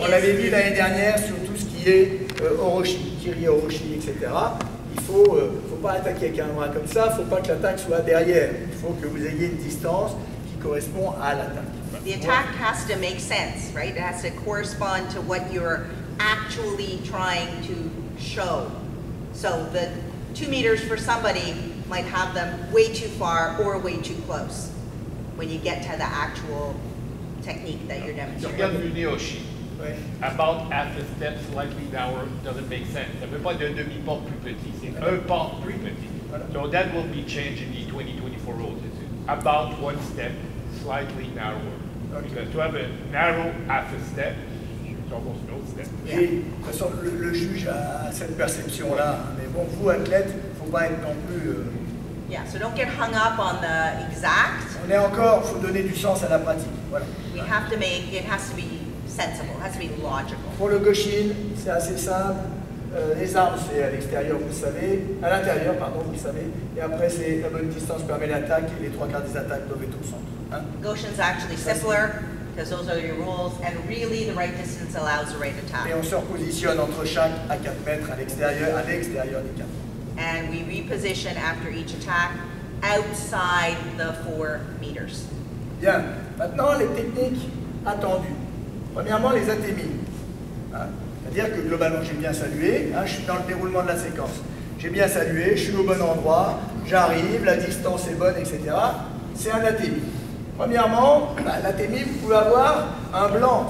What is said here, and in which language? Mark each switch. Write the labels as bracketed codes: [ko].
[fr] is. On l'avait vu l'année dernière sur tout ce qui est Orochi, Kiri Orochi, etc. Il faut, faut pas attaquer avec un bras comme ça. Faut pas que l'attaque soit derrière. Il faut que vous ayez une distance qui correspond à l'attaque. [en] The attack has to make sense, right? It has to correspond to what you're actually trying to show. So the 2 meters for somebody might have them way too far or way too close. When you get to the actual technique that you're demonstrating. [fr] Regarde le Neoshi. [en] About half a step slightly downward doesn't make sense. [fr] Ça ne veut pas être un demi-pas plus petit, c'est un pas plus petit. [en] So that will be changed in the 2024 rules. It's about one step slightly narrower. Because to have a narrow half a step, it's almost no step. [fr] Et, de toute façon, le juge a cette perception-là. Mais bon, vous, athlète, il ne faut pas être non plus. [en] Yeah, so don't get hung up on the exact. [fr] On est encore, faut donner du sens à la pratique. Voilà. [en] We have to make, it has to be sensible, it has to be logical. [fr] Pour le Goshin, c'est assez simple. Les armes, c'est à l'extérieur, vous savez. À l'intérieur, pardon, vous savez. Et après, c'est la bonne distance permet l'attaque et les trois quarts des attaques doivent être au centre. Hein? [en] Goshin's actually simpler, because those are your rules, and really the right distance allows the right attack. [fr] Et on se repositionne entre chaque à 4 mètres à l'extérieur des 4 mètres. [en] And we reposition after each attack outside the 4 meters. [fr] Bien. Maintenant, les techniques attendues. Premièrement, les atémies. Hein? C'est-à-dire que globalement, j'ai bien salué. Hein? Je suis dans le déroulement de la séquence. J'ai bien salué, je suis au bon endroit, j'arrive, la distance est bonne, etc. C'est un atémie. Premièrement, bah, l'atémie, vous pouvez avoir un blanc.